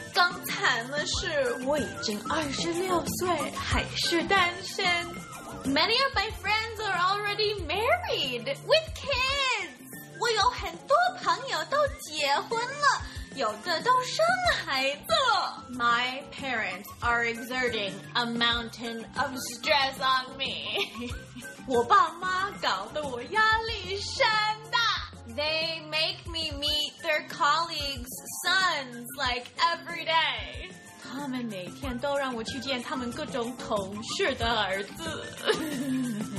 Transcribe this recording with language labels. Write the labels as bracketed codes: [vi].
[zh] 更惨的是我已经26岁还是单身。 [en] Many of my friends are already married with kids. [zh] 我有很多朋友都结婚了，有的都生孩子了。 [en] My parents are exerting a mountain of stress on me. [zh] 我爸妈搞得我压力山大。 [en] They make me meet their colleagues' sons like every day. [zh] 他们每天都让我去见他们各种同事的儿子。